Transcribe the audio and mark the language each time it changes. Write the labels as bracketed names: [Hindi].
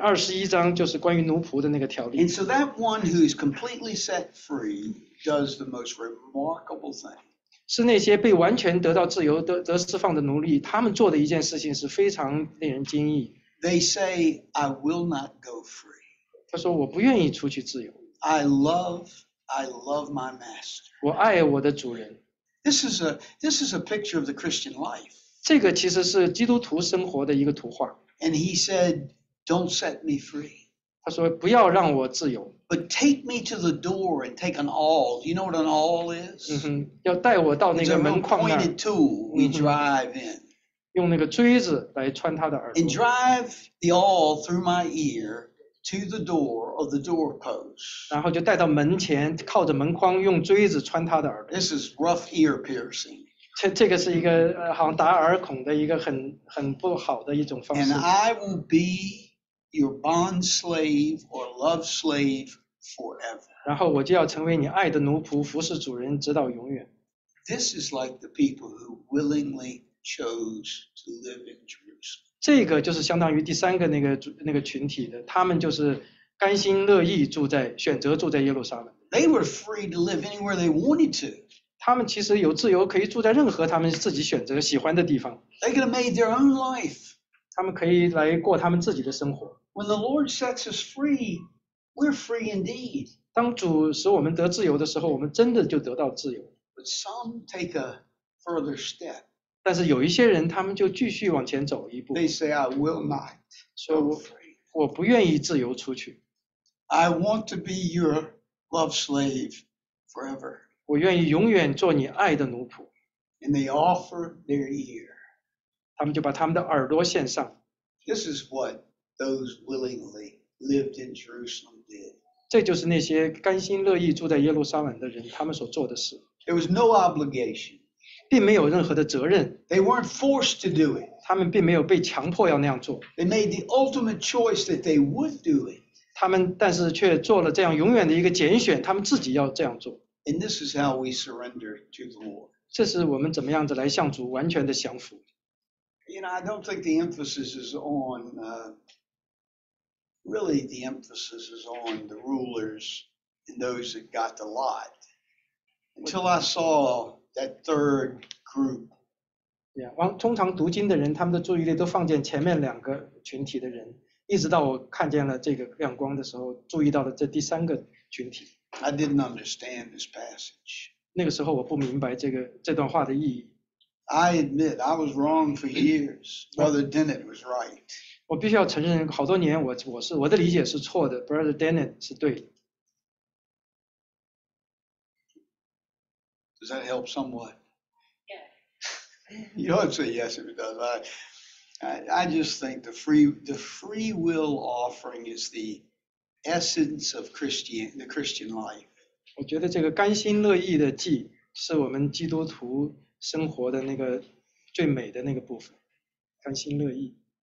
[Chinese] 二十一章就是关于奴仆的那个条例。 [English] And so that one who is completely set free does the most remarkable thing. [Chinese] 是那些被完全得到自由、得释放的奴隶，他们做的一件事情是非常令人惊异。 [English] They say, "I will not go free." [Chinese] 他说我不愿意出去自由。 [English] I love my master. [Chinese] 我爱我的主人。 [English] This is a picture of the Christian life. [Chinese] 这个其实是基督徒生活的一个图画。 [English] And he said, "Don't set me free." [Chinese] 他说不要让我自由。 [English] But take me to the door and take an awl. You know what an awl is? [Chinese] 嗯哼，要带我到那个门框那儿。 [English] It's a pointed tool we drive in. [Chinese] 用那个锥子来穿他的耳朵。 [English] And drive the awl through my ear to the door or the doorpost. [Chinese] 然后就带到门前，靠着门框用锥子穿他的耳朵。 [English] This is rough ear piercing. [Chinese] 这个是一个好像打耳孔的一个很不好的一种方式。 [English] And I will be your bond slave or love slave forever. [Chinese] 然后我就要成为你爱的奴仆，服侍主人直到永远。 [English] This is like the people who willingly chose to live in Jerusalem. [Chinese] 这个就是相当于第三个那个群体的，他们就是甘心乐意选择住在耶路撒冷。 [English] They were free to live anywhere they wanted to. [Chinese] 他们其实有自由可以住在任何他们自己选择喜欢的地方。 [English] They could have made their own life. [Chinese] 他们可以来过他们自己的生活。 [English] When the Lord sets us free, we're free indeed. [Chinese] 当主使我们得自由的时候，我们真的就得到自由。 [English] But some take a further step. [Chinese] 但是有一些人，他们就继续往前走一步。 [English] They say, "I will not go free." [Chinese] 我不愿意自由出去。 [English] I want to be your love slave forever. [Chinese] 我愿意永远做你爱的奴仆。 [English] And they offer their ear. [Chinese] 他们就把他们的耳朵献上。 [English] This is what those willingly lived in Jerusalem did. [Chinese] 这就是那些甘心乐意住在耶路撒冷的人他们所做的事。 [English] There was no obligation. [Chinese] 并没有任何的责任。 [English] They weren't forced to do it. [Chinese] 他们并没有被强迫要那样做。 [English] They made the ultimate choice that they would do it. [Chinese] 他们但是却做了这样永远的一个拣选，他们自己要这样做。 [English] And this is how we surrender to the Lord. [Chinese] 这是我们怎么样子来向主完全的降服。 [English] You know, I don't think the emphasis is on, really the emphasis is on the rulers and those that got the lot. Until I saw that third group. [Chinese] Yeah, 通常读经的人，他们的注意力都放在前面两个群体的人。一直到我看见了这个亮光的时候，注意到了这第三个群体。 [English] I didn't understand this passage. [Chinese] 那个时候我不明白这段话的意义。 [English] I admit I was wrong for years. Brother Dennett was right. [Chinese] 我必须要承认，好多年我的理解是错的。 Brother Dennett 是对的。 [English] Does that help somewhat? Yes. You don't say yes if it does. I just think the free will offering is the essence of the Christian life. [Chinese] 我觉得这个甘心乐意的祭是我们基督徒生活的那个最美的那个部分，甘心乐意。